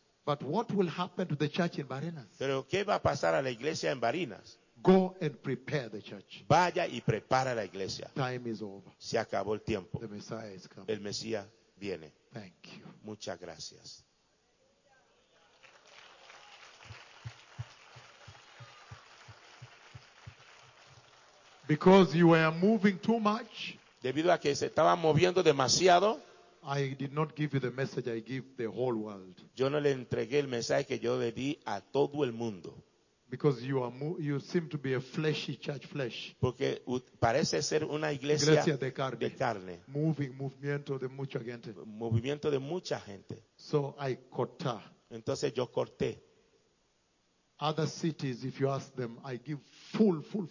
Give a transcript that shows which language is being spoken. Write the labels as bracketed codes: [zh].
[en] But what will happen to the church in Barinas? [es] Pero ¿qué va a pasar a la iglesia en Barinas? [en] Go and prepare the church. [es] Vaya y prepara la iglesia. [en] Time is over. [es] Se acabó el tiempo. [en] The Messiah is coming. [es] El Mesías viene. [en] Thank you. [es] Muchas gracias. [en] Because you were moving too much. [es] Debido a que se estaba moviendo demasiado. [en] I did not give you the message I give the whole world. [es] Yo no le entregué el mensaje que yo le di a todo el mundo. [en] Because you seem to be a fleshy church, flesh. [es] Porque parece ser una iglesia de carne. De carne. Moving, movimiento de mucha gente. Movimiento de mucha gente. [en] So I corta. [es] Entonces yo corté. [en] Other cities, if you ask them, I give full.